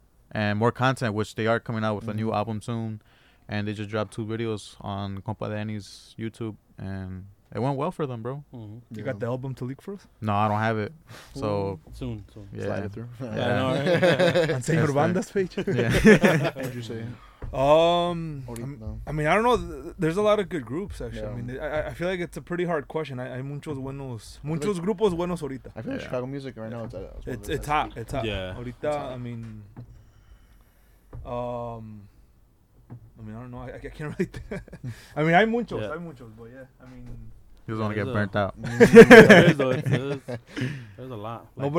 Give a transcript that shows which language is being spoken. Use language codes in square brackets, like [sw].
[en] And more content, which they are coming out with a new album soon. And they just dropped 2 videos on Compa Danny's YouTube, and it went well for them, bro. Mm-hmm. You got the album to leak for us? No, I don't have it. So soon. Yeah. Slide it through. Yeah. Yeah, I know, right? On Señor Banda's page. Yeah. What'd you say? I mean, I don't know. There's a lot of good groups, actually. Yeah. I mean, I feel like it's a pretty hard question. [es] Hay muchos grupos buenos ahorita. [en] I feel like Chicago music right now. It's hot. Yeah. [es] Ahorita, [en] it's hot. I mean, I don't know. I can't really. I mean, I'm muchos, but yeah. I mean, he was gonna get burnt out. there's a lot. Like,